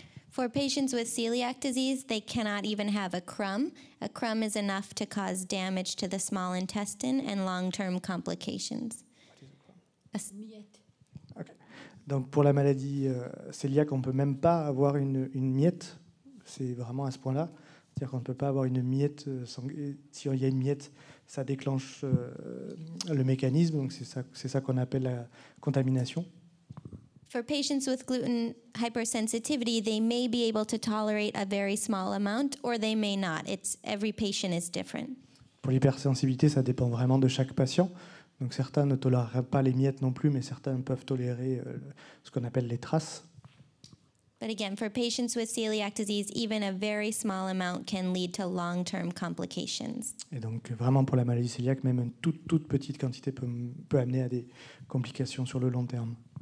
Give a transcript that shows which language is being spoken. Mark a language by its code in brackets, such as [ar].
[en] For patients with celiac disease, they cannot even have a crumb. A crumb is enough to cause damage to the small intestine and long-term complications. What is a crumb? Okay. [fr] Donc pour la maladie cœliaque, on peut même pas avoir une miette. C'est vraiment à ce point-là, c'est-à-dire qu'on ne peut pas avoir une miette si il y a une miette. Ça déclenche le mécanisme, donc c'est ça qu'on appelle la contamination. [en] For patients with gluten hypersensitivity, they may be able to tolerate a very small amount, or they may not. It's every patient is different. [fr] Pour l'hypersensibilité, ça dépend vraiment de chaque patient. Donc certains ne toléreront pas les miettes non plus, mais certains peuvent tolérer ce qu'on appelle les traces. [en] But again, for patients with celiac disease, even a very small amount can lead to long-term complications. [fr] Et donc, vraiment pour la maladie cœliaque, même une toute petite quantité peut amener à des complications sur le long terme.